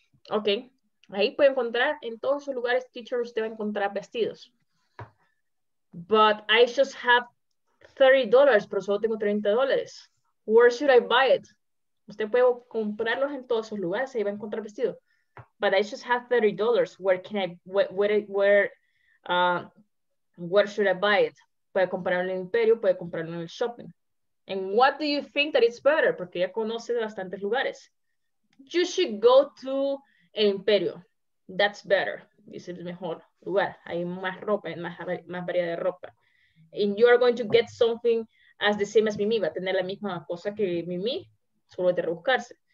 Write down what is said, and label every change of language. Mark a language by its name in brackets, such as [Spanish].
[Spanish] Ok, ahí puede encontrar, en todos esos lugares, teacher, usted va a encontrar vestidos. [English] But I just have $30, [Spanish] pero solo tengo $30. [English] Where should I buy it? [Spanish] Usted puede comprarlos en todos esos lugares, ahí va a encontrar vestido. [English] But I just have $30, where can I, where should I buy it? [Spanish] Puede comprarlo en El Imperio, puede comprarlo en el shopping. [English] And what do you think that it's better? [Spanish] Porque ya conoce de bastantes lugares. [English] You should go to El Imperio. That's better. [Spanish] Dice el mejor lugar. Hay más ropa, más variedad de ropa. [English] And you are going to get something as the same as Mimi. [Spanish] Va a tener la misma cosa que Mimi, solo de rebuscarse.